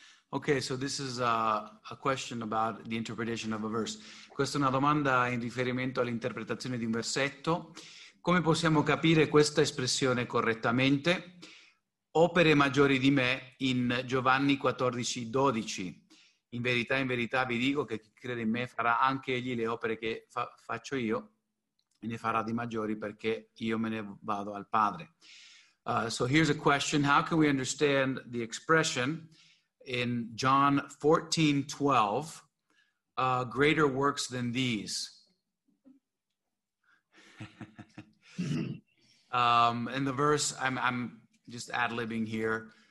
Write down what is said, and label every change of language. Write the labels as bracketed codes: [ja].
[en] Okay, so this is a question about the interpretation of a verse. [it] Questa è una domanda in riferimento all'interpretazione di un versetto. Come possiamo capire questa espressione correttamente? Opere maggiori di me in Giovanni 14:12. In verità vi dico che chi crede in me farà anche egli le opere che faccio io e ne farà di maggiori perché io me ne vado al Padre. [en] So here's a question. How can we understand the expression in John 14:12, greater works than these? And the verse, I'm just ad-libbing here.